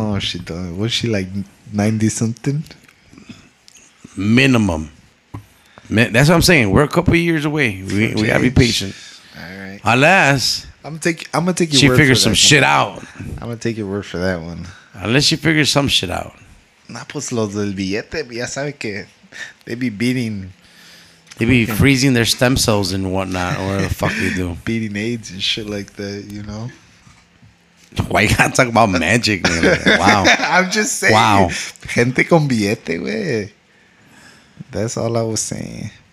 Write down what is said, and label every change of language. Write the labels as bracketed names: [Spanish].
[English] No, she doesn't. Was she like 90-something? Minimum. That's what I'm saying. We're a couple of years away. We gotta be patient. All right. Unless... I'm gonna take your word for that. She figures some shit out. I'm gonna take your word for that one. Unless she figures some shit out. [Spanish] Nah, pues los del billete, ya sabe que... [English] They be beating... They be freezing their stem cells and whatnot, or whatever the fuck they do. Beating AIDS and shit like that, you know? Why you gotta talk about magic, man? Wow. I'm just saying. Wow. [Spanish] Gente con billete, wey. [English] That's all I was saying.